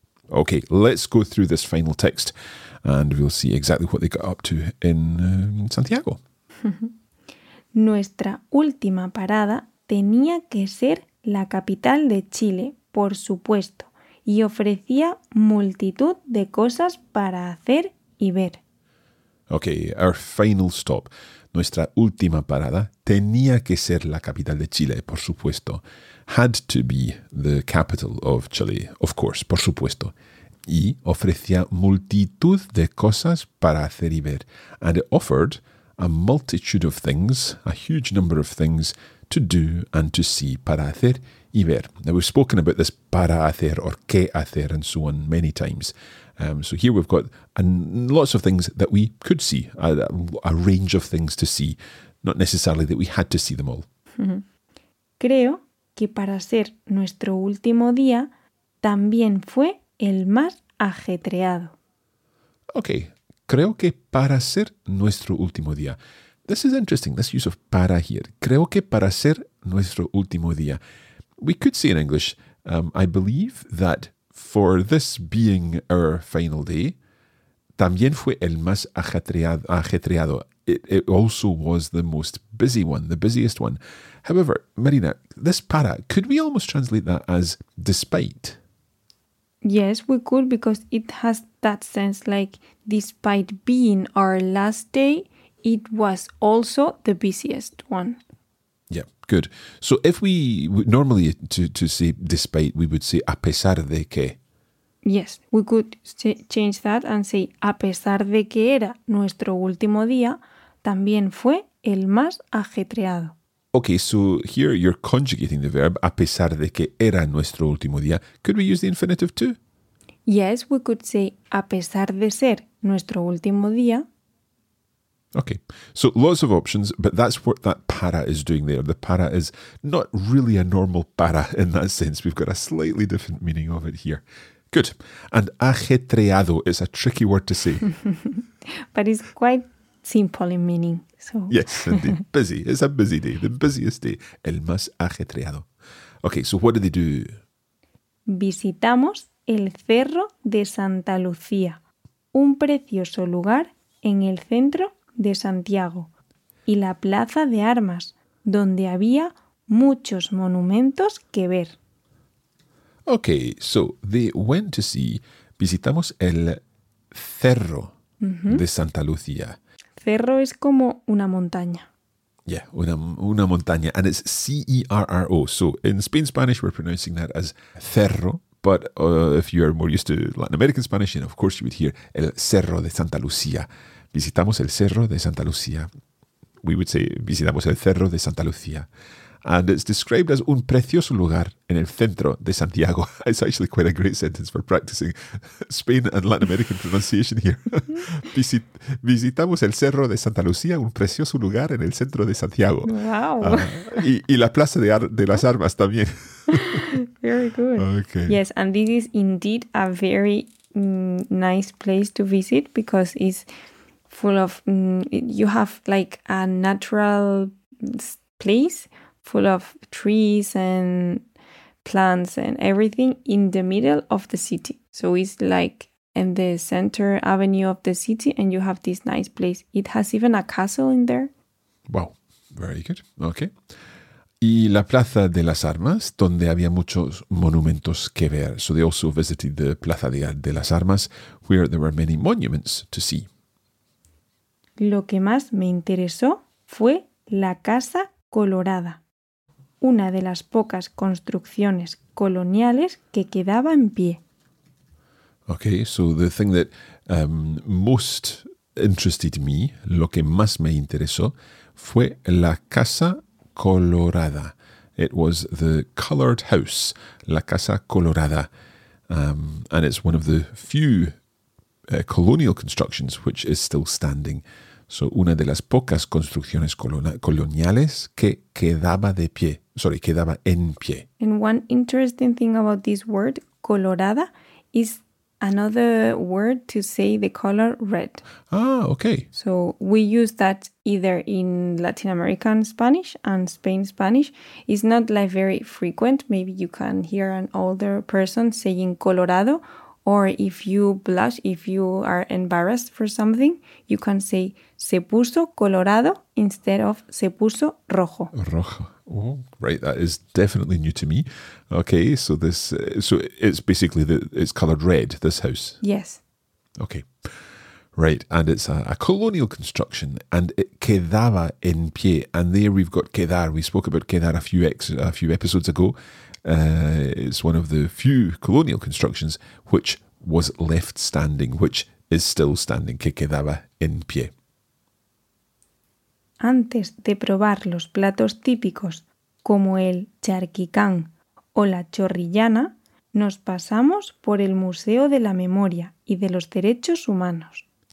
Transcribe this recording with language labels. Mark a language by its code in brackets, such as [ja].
[en] Okay, let's go through this final text and we'll see exactly what they got up to in Santiago. [es] Nuestra última parada tenía que ser la capital de Chile, por supuesto, y ofrecía multitud de cosas para hacer y ver. [en] Okay, our final stop. [es] Nuestra última parada tenía que ser la capital de Chile, por supuesto, [en] had to be the capital of Chile, of course, [es] por supuesto. Y ofrecía multitud de cosas para hacer y ver. [en] And it offered a multitude of things, a huge number of things to do and to see, [es] para hacer y ver. [en] Now, we've spoken about this para hacer or qué hacer and so on many times. So here we've got lots of things that we could see, a range of things to see, not necessarily that we had to see them all. [es] Creo que para ser nuestro último día también fue el más ajetreado. Okay, creo que para ser nuestro último día. [en] This is interesting, this use of para here. [es] Creo que para ser nuestro último día. [en] We could say in English, I believe that for this being our final day, [es] también fue el más ajetreado. [en] It also was the most busy one, the busiest one. However, Marina, this para, could we almost translate that as despite? Yes, we could, because it has that sense, like, despite being our last day, it was also the busiest one. Yeah, good. So if we, normally to say despite, we would say a pesar de que. Yes, we could change that and say [es] a pesar de que era nuestro último día, también fue el más ajetreado. [en] Okay, so here you're conjugating the verb, [es] a pesar de que era nuestro último día. [en] Could we use the infinitive too? Yes, we could say, [es] a pesar de ser nuestro último día. [en] Okay, so lots of options, but that's what that para is doing there. The para is not really a normal para in that sense. We've got a slightly different meaning of it here. Good. And ajetreado is a tricky word to say. But it's quite simple in meaning. So. Yes, indeed. Busy. It's a busy day. The busiest day. [es] El más ajetreado. [en] Okay, so what did they do? [es] Visitamos el Cerro de Santa Lucía, un precioso lugar en el centro de Santiago, y la Plaza de Armas, donde había muchos monumentos que ver. [en] Okay, so they went to see, [es] visitamos el Cerro de Santa Lucía. Cerro es como una montaña. [en] Yeah, [es] una montaña. [en] And it's C-E-R-R-O. So in Spain Spanish, we're pronouncing that as cerro. But if you're more used to Latin American Spanish, then of course you would hear el Cerro de Santa Lucía. [es] Visitamos el Cerro de Santa Lucía. [en] We would say [es] visitamos el Cerro de Santa Lucía. [en] And it's described as [es] un precioso lugar en el centro de Santiago. [en] It's actually quite a great sentence for practicing Spain and Latin American pronunciation here. [es] Visitamos el Cerro de Santa Lucía, un precioso lugar en el centro de Santiago. [en] Wow. [es] Y la Plaza de las Armas también. [en] Very good. Okay. Yes, and this is indeed a very nice place to visit because it's full of, you have like a natural place full of trees and plants and everything in the middle of the city. So it's like in the center avenue of the city and you have this nice place. It has even a castle in there. Wow, very good. Okay. [es] Y la Plaza de las Armas, donde había muchos monumentos que ver. [en] So they also visited the Plaza de las Armas, where there were many monuments to see. [es] Lo que más me interesó fue la Casa Colorada, una de las pocas construcciones coloniales que quedaba en pie. [en] Okay, so the thing that most interested me, [es] lo que más me interesó, fue la Casa Colorada. [en] It was the colored house, la Casa Colorada. And it's one of the few colonial constructions which is still standing. [es] So, una de las pocas construcciones coloniales que quedaba de pie. Sorry, quedaba en pie. [en] And one interesting thing about this word, colorada, is another word to say the color red. Ah, okay. So, we use that either in Latin American Spanish and Spain Spanish. It's not like very frequent. Maybe you can hear an older person saying colorado. Or if you blush, if you are embarrassed for something, you can say [es] se puso colorado [en] instead of [es] se puso rojo. Rojo. [en] Oh, right, that is definitely new to me. Okay, so this, so it's basically, it's colored red, this house. Yes. Okay. Right, and it's a colonial construction, and it [es] quedaba en pie. [en] And there we've got quedar. We spoke about quedar a few episodes ago. It's one of the few colonial constructions which was left standing, which is still standing, [es] que quedaba en pie. Antes de probar los platos típicos como el charquicán o la chorrillana, nos pasamos por el Museo de la Memoria y de los Derechos Humanos.